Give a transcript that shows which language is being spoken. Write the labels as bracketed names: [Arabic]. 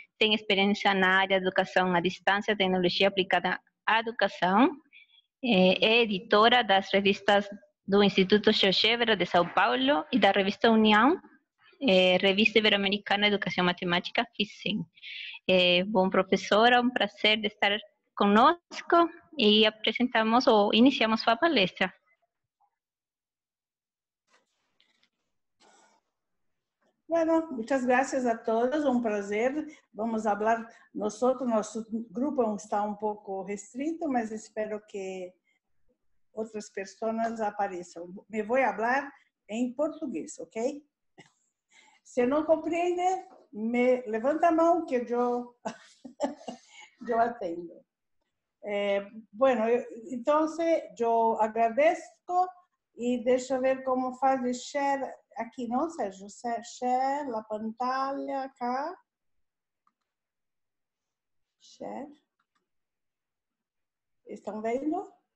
[Portuguese] Tem experiência na área de educação à distância, tecnologia aplicada à educação, é editora das revistas do Instituto GeoGebra de São Paulo e da revista União, Revista Iberoamericana de Educação Matemática, FICEM. Bom, professora, um prazer de estar conosco e apresentamos ou iniciamos sua palestra. [Spanish] Bueno, muchas gracias a todos, un placer. Vamos a hablar nosotros, nuestro grupo está un poco restrito, pero espero que otras personas aparezcan. Me voy a hablar en portugués, ¿ok? Si no comprende, me levanta la mano que yo, yo atendo. Bueno, entonces yo agradezco y [Portuguese] deixa ver [Spanish] cómo hace share. [Portuguese] Aqui não, [Spanish] Sérgio, share la pantalla acá. [English] Share. [Portuguese] Estão vendo?